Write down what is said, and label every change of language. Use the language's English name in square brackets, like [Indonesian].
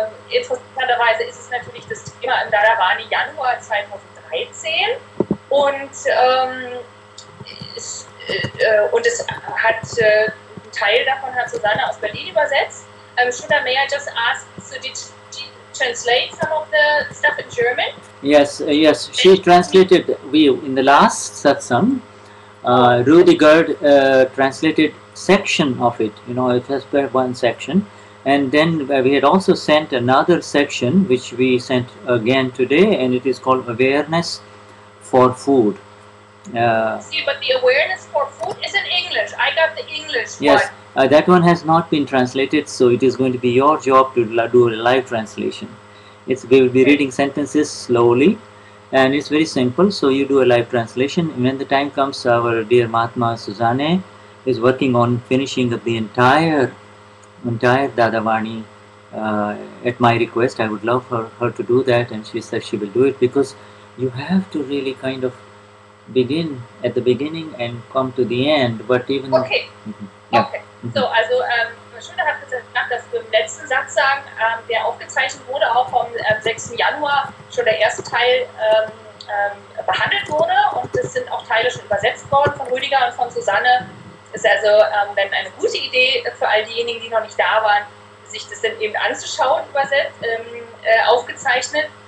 [German] Interessanterweise ist es natürlich das Thema in Dadavani Januar 2013 und ein Teil davon hat Susanne aus Berlin übersetzt. [English] Shuddha, may I just ask, so did you translate some of the stuff in German? Yes, she translated, in the last satsang, Rudiger translated section of it, you know, it has been one section. And then we had also sent another section, which we sent again today, and it is called Awareness for Food. But the Awareness for Food is in English. I got the English one. Yes, that one has not been translated, so it is going to be your job to do a live translation. We will be reading sentences slowly, and it's very simple. So you do a live translation. When the time comes, our dear Mahatma Susanne is working on finishing up the entire Dadavani at my request. I would love her to do that, and she said she will do it, because you have to really kind of begin at the beginning and come to the end. But even okay, though, [German] So also Shuddha hat gesagt, dass im letzten Satsang, der aufgezeichnet wurde, auch vom 6. Januar schon der erste Teil behandelt wurde, und es sind auch Teile schon übersetzt worden von Rüdiger und von Susanne. Ist also dann eine gute Idee für all diejenigen, die noch nicht da waren, sich das dann eben anzuschauen, übersetzt, aufgezeichnet.